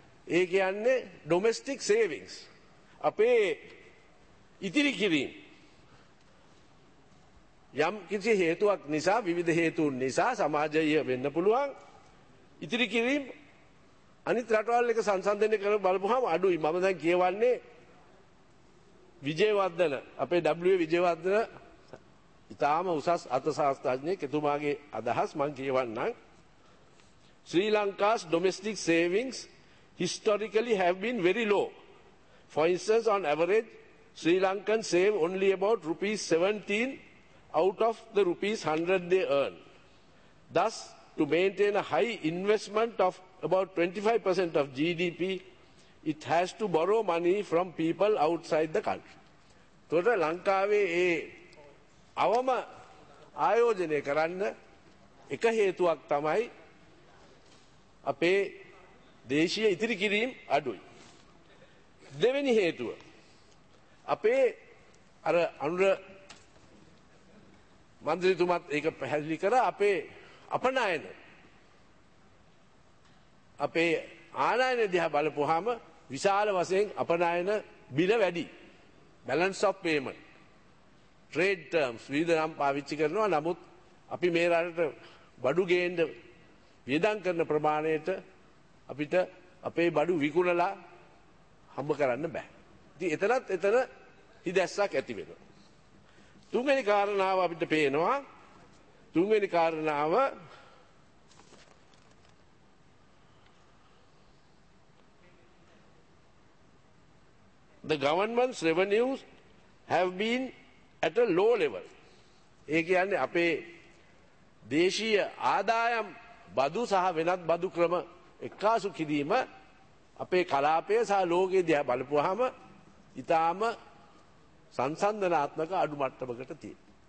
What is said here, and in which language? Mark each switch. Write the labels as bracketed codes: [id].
[si] ඒ කියන්නේ domestic savings, අපේ ඉතිරි කිරීම් යම් කිසි හේතුවක් නිසා, විවිධ හේතුන් නිසා සමාජය වෙන්න පුළුවන් ඉතිරි කිරීම් අනිත් රටවල් එක සංසන්දනය කර බලපුවාම අඩුයි. මම දැන් කියවන්නේ විජේවර්ධන, අපේ W විජේවර්ධන ඉතාම උසස් අර්ථශාස්ත්‍රඥයෙක්, එතුමාගේ අදහස් මං කියවන්නම්. [en] Sri Lanka's domestic savings historically have been very low. For instance, on average, Sri Lankans save only about rupees 17 out of the rupees 100 they earn. Thus, to maintain a high investment of about 25% of GDP, it has to borrow money from people outside the country. [si] Thota Lankawe e avama ayojane karanna eka hetuwak tamai ape දේශීය ඉතිරි කිරීම් අඩුයි. දෙවෙනි හේතුව අපේ අර අනුර මන්ත්‍රීතුමාත් ඒක පැහැදිලි කරා, අපේ අපනයන, අපේ ආනයන දිහා බලපුවාම විශාල වශයෙන් අපනයන බිල වැඩි. [en] balance of payment trade terms [si] විවිධ නම් පාවිච්චි කරනවා. නමුත් අපි මේ රටට බඩු ගේන්න වියදම් කරන ප්‍රමාණයට අපිට අපේ බඩු විකුණලා හම්බ කරන්න බෑ. ඉතින් එතනත් එතන හිදැස්සක් ඇති වෙනවා. තුන්වෙනි කාරණාව අපිට පේනවා. තුන්වෙනි කාරණාව [en] the government's revenues have been at a low level. [si] ඒ කියන්නේ අපේ දේශීය ආදායම් බදු සහ වෙනත් බදු ක්‍රම එක්කාසු කිරීම අපේ කලාපය සහ ලෝකයේ දිහා බලපුවාම ඉතාම සංසන්දනාත්මක අඩු මට්ටමකට තියෙනවා.